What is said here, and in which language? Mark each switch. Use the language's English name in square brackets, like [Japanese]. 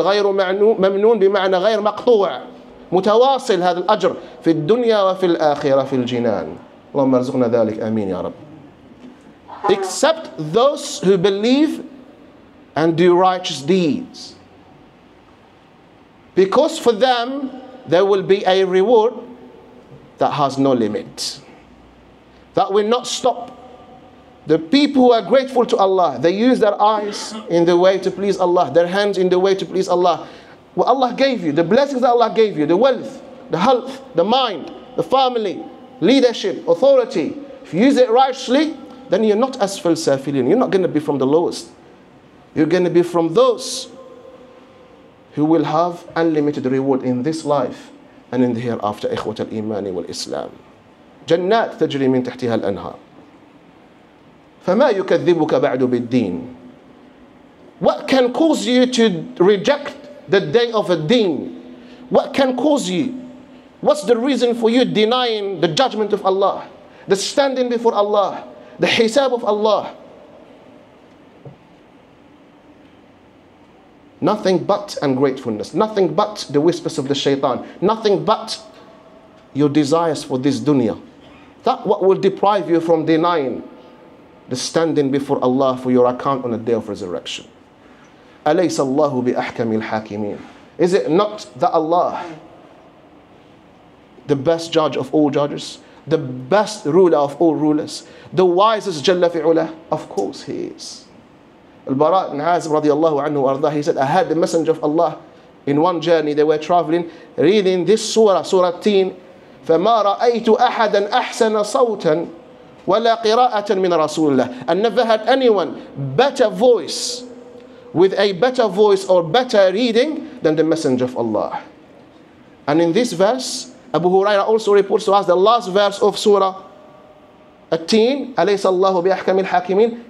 [Arabic] غَيْرُ مَمْنُونَ بمعنى غير مقطوع. متواصل هذا الأجر في الدنيا وفي الآخرة في الجنان. اللهم ارزقنا ذلك. آمين يا رب. [English] Except those who believe and do righteous deeds. Because for them, there will be a reward that has no limit. That will not stop. The people who are grateful to Allah, they use their eyes in the way to please Allah, their hands in the way to please Allah. What Allah gave you, the blessings that Allah gave you, the wealth, the health, the mind, the family, leadership, authority, if you use it righteously, then you're not asfal safilin. You're not going to be from the lowest. You're going to be from those who will have unlimited reward in this life and in the hereafter. [Arabic] إخوة الإيمان والإسلام. جنات تجري من تحتها الأنهار. فما يكذبك بعد بالدين. [English] What can cause you to reject the day of a deen? What can cause you? What's the reason for you denying the judgment of Allah? The standing before Allah? The hisab of Allah? Nothing but ungratefulness, nothing but the whispers of the shaitan, nothing but your desires for this dunya. That what will deprive you from denying the standing before Allah for your account on the day of resurrection. [Arabic] أليس الله بأحكم الحاكمين. [English] Is it not that Allah, the best judge of all judges, the best ruler of all rulers, the wisest [Arabic] جل في علاه? [English] Of course he is. البراء بن عازب [Arabic] رضي الله عنه وارضاه, [English] he said, I had the messenger of Allah in one journey. They were traveling, reading this surah, surah teen. [Arabic] فما رأيت أحدا أحسن صوتا ولا قراءة من رسول الله. [English] I never had anyone better voice, with a better voice or better reading than the messenger of Allah. And in this verse, Abu Huraira also reports to us the last verse of surah At-Teen, [Arabic] أليس الله بأحكم الحاكمين.